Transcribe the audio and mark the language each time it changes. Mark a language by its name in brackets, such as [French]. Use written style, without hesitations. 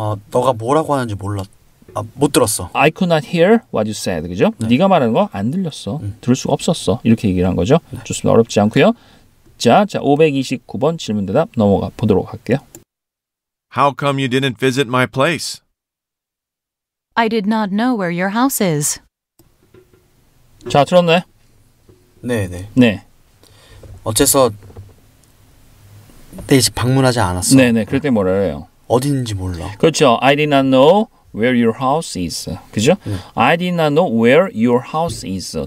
[Korean] 너가 뭐라고 하는지 몰랐다. 못 들었어. [English] I could not hear what you said. [Korean] 그죠? 네. 네가 말하는 거 안 들렸어. 들을 수가 없었어. 이렇게 얘기를 한 거죠. 네. 좋습니다. 어렵지 않고요. 자, 529번 질문 대답 넘어가 보도록 할게요. [English] How come you didn't visit my place? I did not know where your house is. [Korean] 자, 들었네. 네네. 네. 어째서 내 집 방문하지 않았어? 네네. 그럴 때 뭐라 해요? 어딘지 몰라. 그렇죠. [English] I did not know where your house is. [Korean] 그죠? 네. [English] I did not know where your house is.